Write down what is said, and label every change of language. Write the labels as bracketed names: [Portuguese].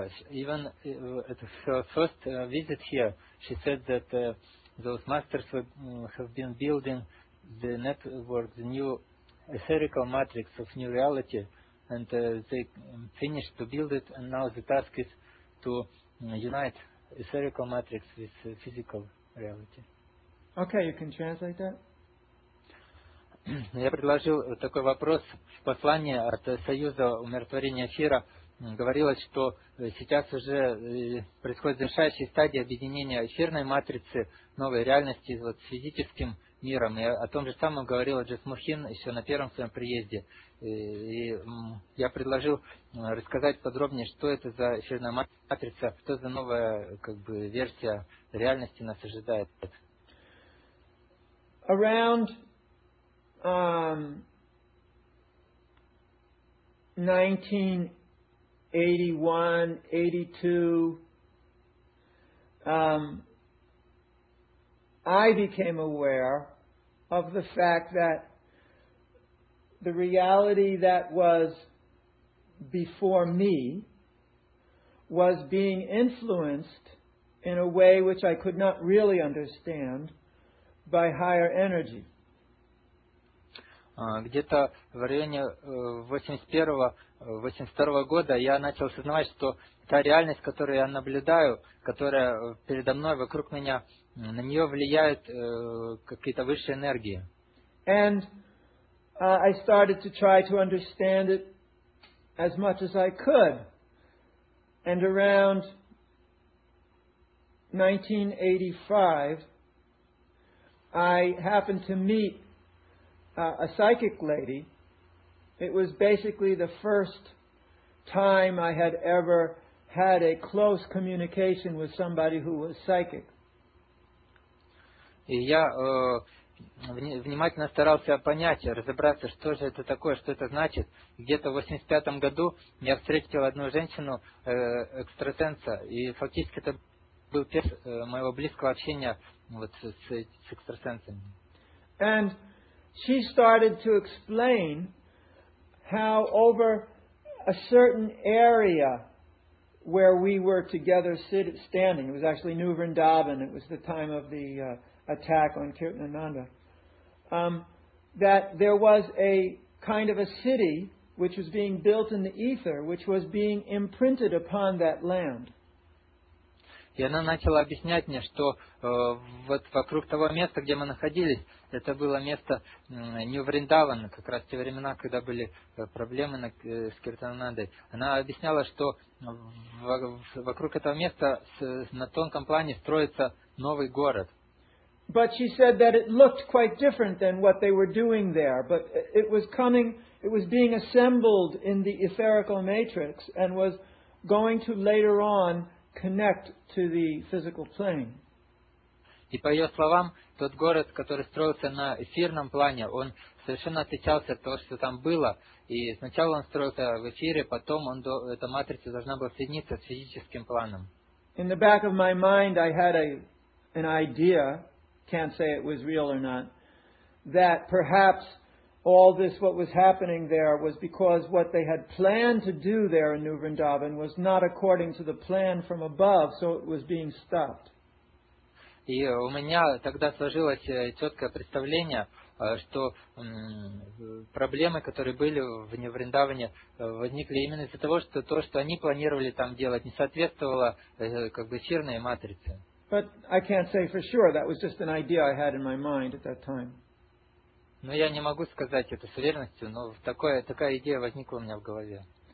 [English] Even at her first visit here, she said that those masters have been building the network, the new etherical matrix of new reality, and they finished to build it, and now the task is to unite etherical matrix with physical reality. Okay, you can translate that. [Russian] Я предложил такой вопрос в послании от Союза умиротворения эфира. Говорилось, что сейчас уже происходит завершающая стадия объединения эфирной матрицы новой реальности вот, с физическим миром. И о том же самом говорила Джасмухин еще на первом своем приезде. И я предложил рассказать подробнее, что это за эфирная матрица, что за новая как бы, версия реальности нас ожидает. [English] Around 1981, 82, I became aware of the fact that the reality that was before me was being influenced in a way which I could not really understand by higher energy. [Russian] Где-то в районе 81-82 года я начал осознавать, что та реальность, которую я наблюдаю, которая передо мной, вокруг меня, на нее влияют какие-то высшие энергии. [English] And I started to try to understand it as much as I could. And around 1985, I happened to meet a psychic lady. It was basically the first time I had ever had a close communication with somebody who was psychic. [Russian] И я внимательно старался понять, разобраться, что же это такое, что это значит. Где-то в 85 году я встретил одну женщину, экстрасенса, и фактически это был первый моего близкого общения вот с экстрасенсами. [English] And she started to explain how over a certain area where we were together standing, it was actually New Vrindavan, it was the time of the attack on Kirtanananda, that there was a kind of a city which was being built in the ether, which was being imprinted upon that land. [Russian] И она начала объяснять мне, что вот вокруг того места, где мы находились, это было место Нью-Вриндавана, как раз те времена, когда были проблемы с Киртананандой. Она объясняла, что вокруг этого места на тонком плане строится новый город. [English] But she said that it looked quite different than what they were doing there. But it was coming, it was being assembled in the etherical matrix and was going to later on connect to the physical plane. [Russian] И по ее словам, тот город, который строился на эфирном плане, он совершенно отличался от того, что там было. И сначала он строился в эфире, потом эта матрица должна была соединиться с физическим планом. [English] In the back of my mind I had an idea, can't say it was real or not, that perhaps all this, what was happening there, was because what they had planned to do there in New Vrindavan was not according to the plan from above, so it was being stopped. [Russian] И у меня тогда сложилось четкое представление, что проблемы, которые были в New Vrindavan, возникли именно из-за того, что то, что они планировали там делать, не соответствовало как бы эфирной матрице. [English] But I can't say for sure. That was just an idea I had in my mind at that time. [Russian] Но я не могу сказать это с уверенностью, но такая идея возникла у меня в голове.